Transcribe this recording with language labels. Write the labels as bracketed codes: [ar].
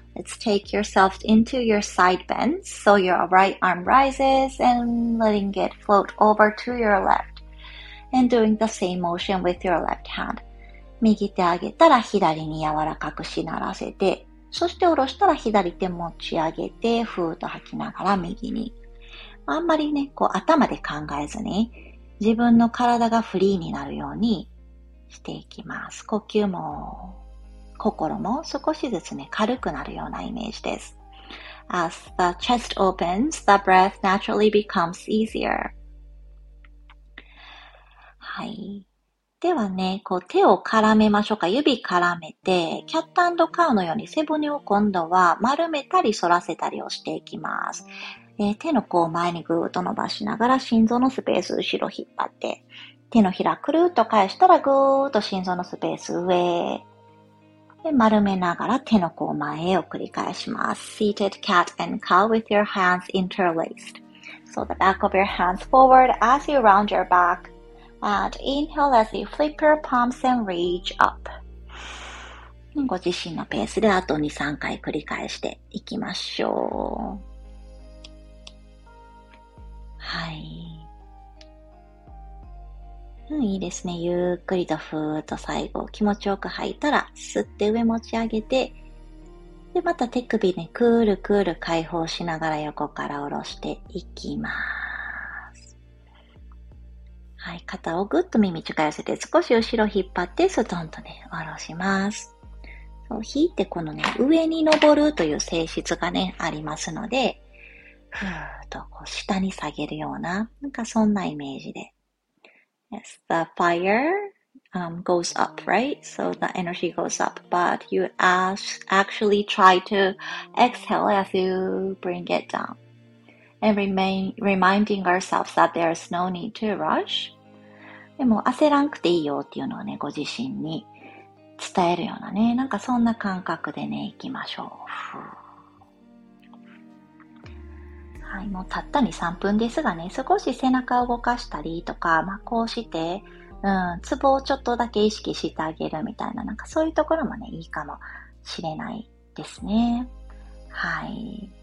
[en] Let's take yourself into your side bend, so your right arm rises and letting it float over to your left. And doing the same motion with your left hand. [ja] 右手上げたら、左に柔らかくしならせて、そして下ろしたら、左手持ち上げて、ふうと吐きながら、右に。あんまりね、こう頭で考えずに、自分の体がフリーになるようにしていきます。呼吸も、心も少しずつね、軽くなるようなイメージです。 [en] As the chest opens, the breath naturally becomes easier. [ja] はい。ではね、こう手を絡めましょうか。指絡めて、キャット&カウのように背骨を今度は丸めたり反らせたりをしていきます。手の甲を前にぐーっと伸ばしながら心臓のスペース後ろ引っ張って手のひらくるっと返したらぐーっと心臓のスペース上で丸めながら手の甲を前へを繰り返します [en] Seated cat and cow with your hands interlaced So the back of your hands forward as you round your back And inhale as you flip your palms and reach up [ja] ご自身のペースであと 2,3 回繰り返していきましょうはい。うん、いいですね。ゆっくりとふーっと最後、気持ちよく吐いたら、吸って上持ち上げて、で、また手首ね、くるくる解放しながら横から下ろしていきます。はい、肩をぐっと耳近寄せて、少し後ろ引っ張って、ストンとね、下ろします。そう、引いてこのね、上に登るという性質がね、ありますので、ふーっとこう下に下げるような、なんかそんなイメージで。 [en] Yes, the fire, goes up, right? So the energy goes up, but you actually try to exhale as you bring it down. And reminding ourselves that there's no need to rush. [ja] でも焦らんくていいよっていうのをね、ご自身に伝えるようなね、なんかそんな感覚でね、行きましょう。はい、もうたった2、3分ですがね、少し背中を動かしたりとか、まあ、こうして、ツボをちょっとだけ意識してあげるみたいな、なんかそういうところもね、いいかもしれないですね。はい。